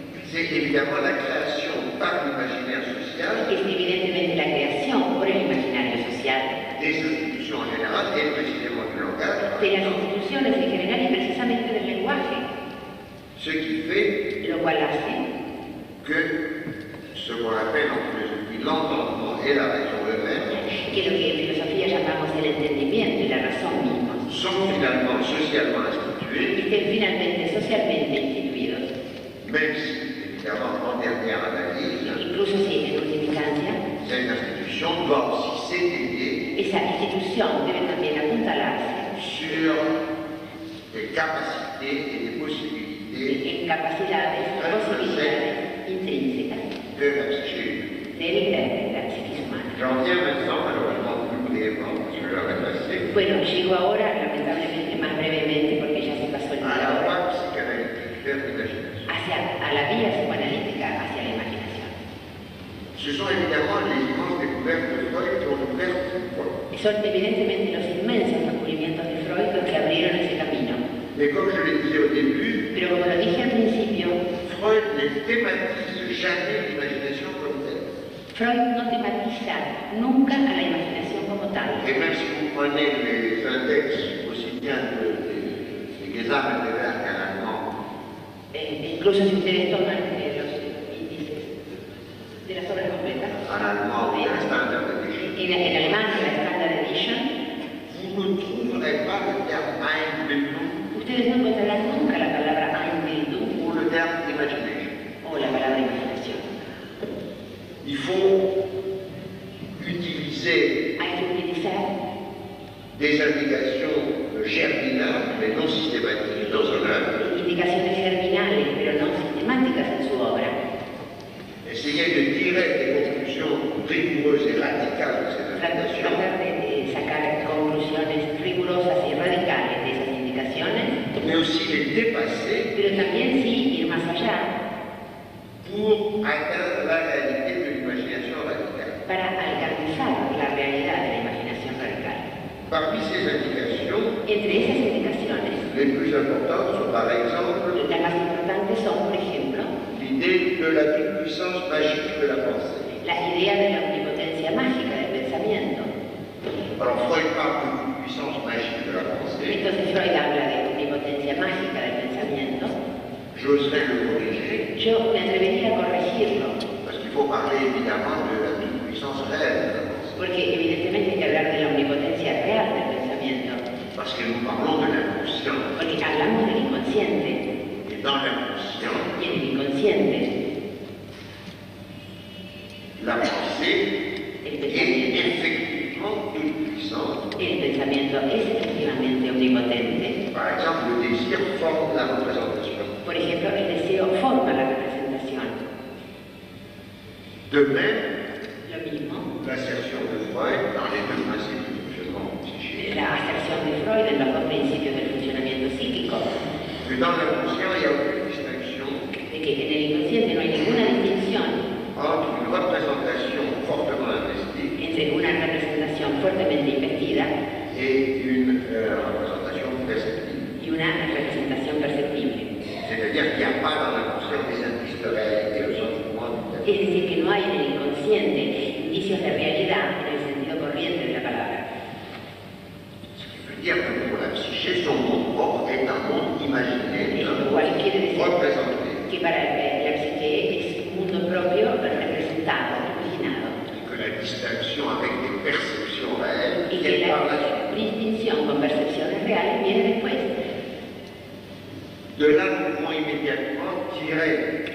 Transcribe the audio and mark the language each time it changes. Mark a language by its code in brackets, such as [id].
[fr] C'est évidemment la création par l'imaginaire social. [es] Es evidentemente la creación por el imaginario social. [fr] Des institutions en général et précisément du langage. [es] De las instituciones en general y precisamente del lenguaje. [fr] Ce qui fait. [es] Lo cual hace. [fr] Que ce qu'on appelle en philosophie l'entendement et la raison eux-mêmes. [es] Que lo que en filosofía llamamos el entendimiento y la razón misma. [fr] Sont finalement socialement institués. [es] Estén finalmente socialmente instituidos. [fr] Même si, évidemment, en dernière analyse. [es] Incluso si en última instancia. [fr] Cette institution doit aussi s'étayer. [es] Esa institución debe también apuntalarse sur [fr] de capacité et de possibilités [es] de capacidades, posibilidades intrínsecas [fr] de l'aptitude de l'aptitude [es] humana. [fr] J'en viens maintenant malheureusement plus brièvement parce que [es] bueno, llego ahora lamentablemente más brevemente porque ya se pasó el tiempo. [fr] A la voie psychanalytique vers l'imagination. [es] Hacia a la vía psicoanalítica hacia la imaginación. [fr] Ce sont évidemment les immenses découvertes de Freud qui ont ouvert cette voie. [es] Son evidentemente los inmensos descubrimientos de Freud que abrieron ese camino. [fr] Mais comme je le disais au début, [es] pero como lo dije al principio, [fr] Freud ne thématise jamais l'imagination comme telle. [es] Freud no tematiza nunca a la imaginación como tal. [fr] Et même si vous prenez les index aussi bien que les Gesamtwerke de Werke en allemand, [es] incluso si ustedes toman los índices de las obras completas, [fr] en allemand, [es] en la standard edition, en alemán, en la standard edition, [fr] vous ne trouverez pas le terme Einbildung. [es] Ustedes no encontrarán nunca la palabra Einbildung [fr] o le terme imagination. [es] O la palabra imaginación. [fr] Il faut utiliser. [es] Hay que utilizar. [fr] Des indications germinales, mais non systématiques dans son œuvre. [es] Indicaciones germinales, pero no sistemáticas en su obra. [fr] Essayez de tirer des conclusions rigoureuses et radicales de cette indication. [es] Tratar de sacar conclusiones rigurosas y radicales de esas indicaciones. [fr] Mais aussi les dépasser. [es] Pero también sí ir más allá. [fr] Pour atteindre la réalité de l'imagination radicale. [es] Para alcanzar la realidad de la imaginación radical. [fr] Parmi ces indications, [es] entre esas indicaciones, [fr] les plus importantes sont par exemple, [es] las más importantes son, por ejemplo, [fr] l'idée de la toute-puissance magique de la pensée. [es] La idea de la omnipotencia mágica del pensamiento. [fr] Alors Freud parle de toute-puissance magique de la pensée. [es] Entonces Freud habla de omnipotencia mágica del pensamiento. [fr] J'oserais le corriger. [es] Yo me atrevería a corregirlo. [fr] Parce qu'il faut parler évidemment de la toute-puissance réelle. [es] Porque evidentemente hay que hablar de la omnipotencia real del pensamiento. [fr] Parce que nous parlons de l'inconscient. [es] Porque hablamos del inconsciente. [fr] Et dans l'inconscient. [es] Y en el inconsciente. [fr] La pensée est effectivement toute-puissante. [es] El pensamiento es efectivamente omnipotente. [fr] Par exemple, le désir forme la représentation. [es] Por ejemplo, el deseo forma la representación. [fr] De même, [es] lo mismo. [fr] L'assertion de Freud dans les deux principes du fonctionnement psychique. [es] La assertion de Freud en los dos principios del funcionamiento psíquico. [fr] Que dans l'inconscient, il n'y a aucune distinction. [es] De que en el inconsciente no hay ninguna distinción. [fr] Entre une représentation fortement investie. [es] Entre una representación fuertemente investida. [fr] Et une représentation perceptible. [es] Y una representación perceptible. [fr] C'est-à-dire qu'il n'y a pas dans l'inconscient des indices de réalité au sens du monde. [es] Es decir, que no hay en el inconsciente indicios de realidad en el sentido corriente de la palabra. [fr] Ce qui veut dire que pour la psyché, son monde propre est un monde imaginé, représenté. [es] Que para la psyché es un mundo propio representado, imaginado. [fr] Et que la distinction avec des perceptions réelles. [es] Y que la distinción con percepciones reales viene después. [fr] De là, nous pouvons immédiatement tirer.